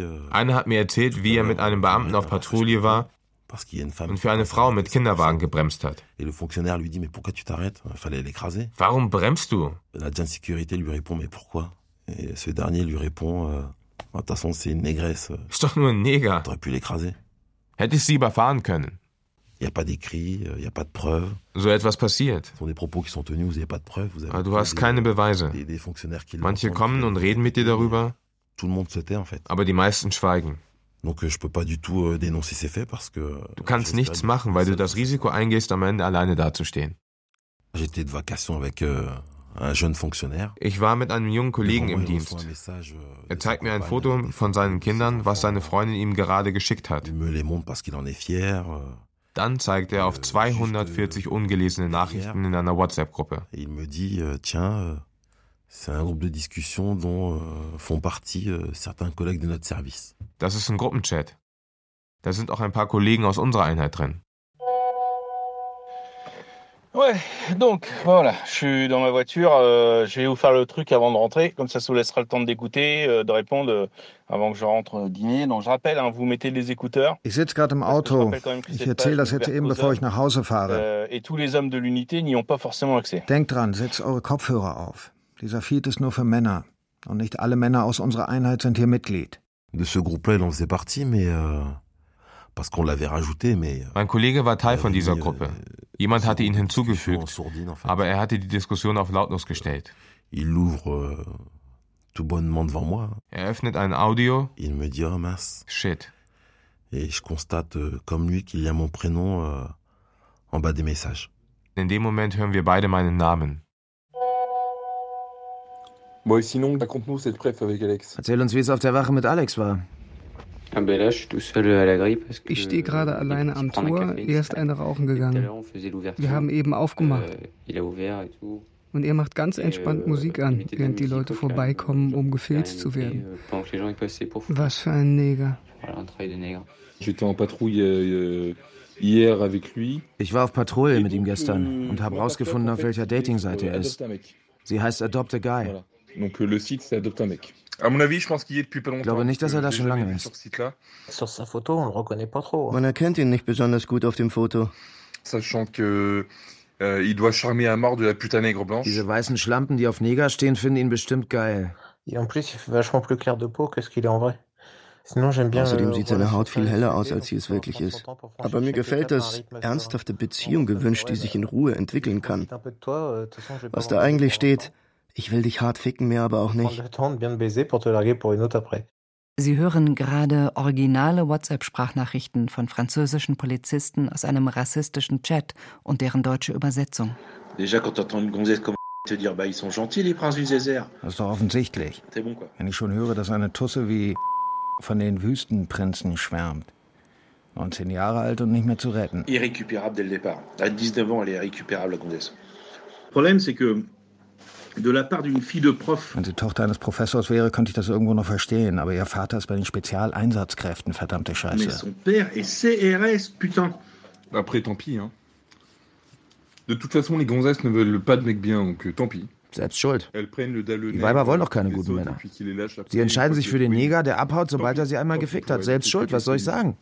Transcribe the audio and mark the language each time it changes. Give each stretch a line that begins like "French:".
German: Einer hat mir erzählt, wie er mit einem Beamten auf Patrouille war und für eine Frau mit Kinderwagen gebremst hat. Warum bremst du?
French: L'agent de sécurité lui répond, mais pourquoi? Et ce dernier lui répond, de toute façon, c'est une négresse.
German: Ist doch nur ein Neger.
French: T'aurais pu l'écraser.
German: Hätte ich sie überfahren können.
French: Y a pas d'écrit, y a pas de preuve.
German: So etwas passiert.
French: Sont des propos qui sont tenus, vous avez pas de preuve, vous avez
German: du hast keine Beweise.
French: Des fonctionnaires qui
German: Manche kommen und reden mit dir darüber.
French: Tout le monde se tait, en fait.
German: Aber die meisten schweigen.
French: Donc je peux pas du tout dénoncer ces faits parce que
German: du kannst nichts machen, weil du das Risiko eingehst, am Ende alleine dazustehen.
French: J'étais de vacation avec un jeune fonctionnaire.
German: Ich war mit einem jungen Kollegen im Dienst. Er zeigt mir ein Foto von seinen Kindern, was seine Freundin ihm gerade geschickt hat.
French: Il me les montre parce qu'il en est fier.
German: Dann zeigt er auf 240 ungelesene Nachrichten in einer WhatsApp-Gruppe.
French: Il me dit, tiens, c'est un groupe de discussion dont font partie certains collègues de notre service.
German: Das ist ein Gruppenchat. Da sind auch ein paar Kollegen aus unserer Einheit drin.
French: Ouais, donc voilà, je suis dans ma voiture, je vais vous faire le truc avant de rentrer, comme ça, ça vous laissera le temps de d'écouter, de répondre avant que je rentre dîner. Donc je rappelle, hein, vous mettez les écouteurs.
German: Ich sitze gerade im Auto. Ich erzähle das jetzt eben, bevor ich nach Hause fahre.
French: Et tous les hommes de l'unité n'y ont pas forcément accès.
German: Denkt dran, setzt eure Kopfhörer auf. Dieser Feed ist nur für Männer. Und nicht alle Männer aus unserer Einheit sind hier Mitglied.
French: De ce groupe-là, il en faisait partie, mais. Parce qu'on l'avait rajouté, mais
German: mein Kollege war Teil von dieser Gruppe. Jemand hatte ihn hinzugefügt, aber er hatte die Diskussion auf lautlos gestellt.
French: Il ouvre tout bonnement devant moi.
German: Er öffnet ein Audio.
French: Il me dit, oh, mince.
German: Shit.
French: Et je constate comme lui qu'il y a mon prénom en bas des messages.
German: In dem Moment hören wir beide meinen Namen.
French: Bon, sinon, raconte-nous cette préf avec Alex.
German: Erzähl uns, wie es auf der Wache mit Alex war. Ich stehe gerade alleine am Tor, erst eine rauchen gegangen. Wir haben eben aufgemacht. Und er macht ganz entspannt Musik an, während die Leute vorbeikommen, um gefilzt zu werden. Was für ein Neger. Ich war auf Patrouille mit ihm gestern und habe herausgefunden, auf welcher Dating-Seite er ist. Sie heißt Adopt a Guy.
French: Donc le site c'est Adopt un mec. À mon avis, je pense qu'il y est depuis pas longtemps.
German: Glaube nicht, dass er da schon lange ist.
French: Sur sa photo, on le reconnaît pas trop.
German: Man erkennt ihn nicht besonders gut auf dem Foto.
French: Sachant que il doit charmer à mort de la putain nègre blanche.
German: Diese weißen Schlampen, die auf Neger stehen, finden ihn bestimmt geil.
French: Et en plus, il fait vachement plus clair de peau que ce qu'il est en vrai. Sinon, j'aime bien.
German: Außerdem sieht seine Haut viel heller aus, als sie es wirklich ist. Aber mir gefällt das. Ernsthafte Beziehung gewünscht, die sich in Ruhe entwickeln kann. Was da eigentlich steht. Ich will dich hart ficken, mehr aber auch nicht. Sie hören gerade originale WhatsApp-Sprachnachrichten von französischen Polizisten aus einem rassistischen Chat und deren deutsche Übersetzung. Das ist doch offensichtlich. Wenn ich schon höre, dass eine Tusse wie von den Wüstenprinzen schwärmt. 19 Jahre alt und nicht mehr zu retten.
French: Irrécupérable dès le départ. À 19 ans, elle est irrécupérable, la Gonzesse. Problème, c'est que de la part d'une fille de prof.
German: Wenn sie Tochter eines Professors wäre, könnte ich das irgendwo noch verstehen. Aber ihr Vater ist bei den Spezialeinsatzkräften, verdammte Scheiße.
French: Mais son père est CRS, putain. Après, tant pis, hein. De toute façon, les gonzesses ne veulent pas de mec bien, donc tant pis.
German: Selbst schuld. Die Weiber wollen doch keine guten Männer. Sie entscheiden sich für den Neger, der abhaut, sobald er sie einmal gefickt hat. Selbst schuld, was soll ich sagen?